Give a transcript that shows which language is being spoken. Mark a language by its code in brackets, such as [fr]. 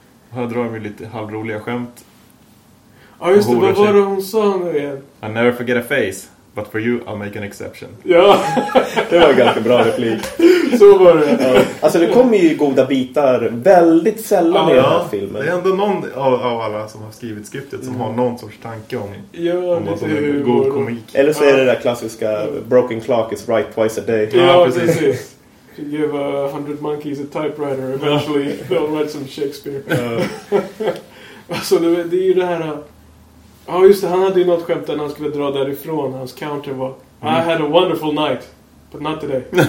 [sv] Här drar vi lite halvroliga skämt. Ja, just det, vad var det hon sa nu igen? [en] I never forget a face, but for you I'll make an exception. [sv] Ja. Det var ganska bra replik. Så var det. Alltså det kommer ju goda bitar väldigt sällan i den här filmen. Det är ändå någon av alla som har skrivit skriftet som har någon sorts tanke om att de är god komik. Eller så är det där klassiska [en] broken clock is right twice a day. [sv] Ja, precis. [en] To give 100 monkeys a typewriter, eventually they'll write some Shakespeare. [sv] Alltså det är ju det här. Ja, just det, han hade ju något skämt när han skulle dra därifrån. Hans counter var [en] I had a wonderful night, but not today.